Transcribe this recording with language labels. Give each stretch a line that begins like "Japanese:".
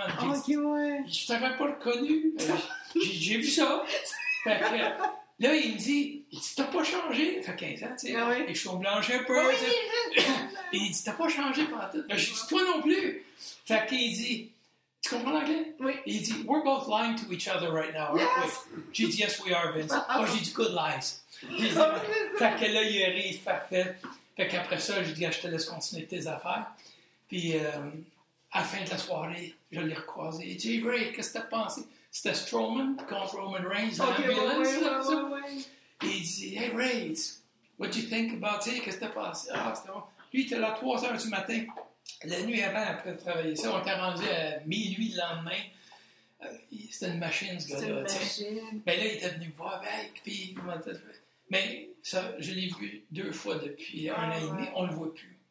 French: Ah, oh, qui ouais. Je t'avais pas reconnu. J'ai vu ça. Fait que là, il me dit, t'as pas changé. Ça fait 15 ans, tu sais. Ah, oui. Les cheveux blanchis un peu. Oui, il dit, t'as pas changé pendant tout. J'ai dit, toi non plus. Fait qu'il dit, tu comprends l'anglais? Oui.
English: Il dit, we're both lying to each other right now. Yes!
French: Oui. J'ai dit, yes, we are, Vince. Oh, j'ai dit, good lies. Dit, fait que là, il a ri, parfait. Fait qu'après ça, j'ai dit, je te laisse continuer tes affaires. Puis, à la fin de la soirée, je l'ai recroisé. Il dit, Ray, qu'est-ce que t'as pensé? C'était Strowman contre Roman Reigns, okay, l'ambulance. Oui, oui, oui.
English: Et il dit, hey, Ray, what do you think about it?
French: Qu'est-ce que t'as pensé? Ah, c'était bon. Lui, il était là 3 heures du matin. La nuit avant, après de travailler ça, on était rendu à minuit le lendemain. C'était une machine, ce gars-là. C'était une machine. Mais là, il était venu me voir avec. Mais ça, je l'ai vu 2 fois depuis un an et demi. On ne le voit plus.